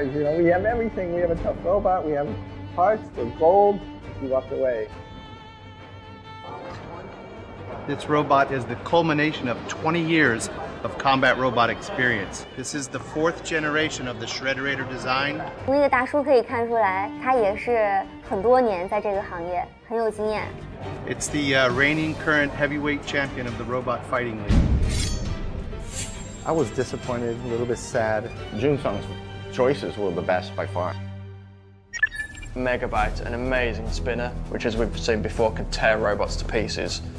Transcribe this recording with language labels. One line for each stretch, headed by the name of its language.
English: You know, we have everything. We have a tough robot. We have parts. The gold. She walked away. This robot is the culmination of 20 years of combat robot experience. This is the fourth generation of the Shredderator design.
Chinese: 那个大叔可以看出来，他也是很多年在这个行业，很有经验。
English: It's the reigning current heavyweight champion of the robot fighting league. I was disappointed, a little bit sad. Junsung's choices were the best by far. Megabyte, an amazing spinner, which as we've seen before, can tear robots to pieces.